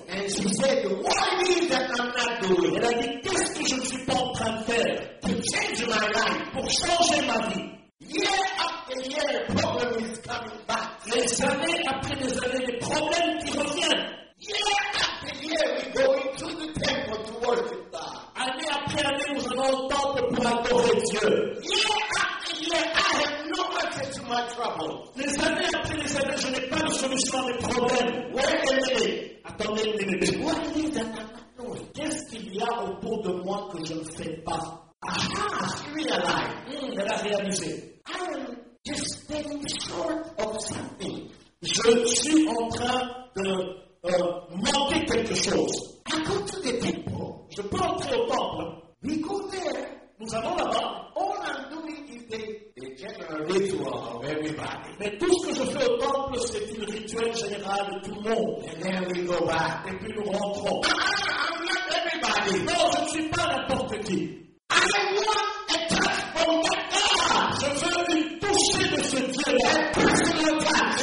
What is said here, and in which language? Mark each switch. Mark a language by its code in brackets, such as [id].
[en] And she said, why is that I'm not doing? [fr] Elle a dit, qu'est-ce que je ne suis pas en train de faire? [en] To change my life. [fr] Pour changer ma vie. [en] Year after year, the problem is coming back. [fr] Les années après les années, les problèmes qui reviennent. [en] Year after year, we go into the temple to worship God. [fr] Année après année, nous allons au temple pour adorer Dieu. [en] Year after year, I have no answer to my trouble. [fr] Les années après les années, je n'ai pas de solution à mes problèmes. [en] Wait a minute. [fr] Attendez une minute. [en] What is that I'm not doing? [fr] Qu'est-ce qu'il y a autour de moi que je ne fais pas? [en] Aha, she realized. [fr] Elle a réalisé. [en] I am just standing short of something. [fr] Je suis en train de manquer quelque chose. [en] I go to the temple. [fr] Je peux entrer au temple. [en] We go there. [fr] Nous allons là-bas. [en] All I'm doing is the general ritual of everybody. [fr] Mais tout ce que je fais au temple, c'est un rituel général de tout le monde. [en] And then we go back. [fr] Et puis nous rentrons. [en] I'm not everybody. [fr] Non, je ne suis pas n'importe qui. [en] I want a touch from my God. [fr] Je veux une touche de ce Dieu-là. [en] A personal touch.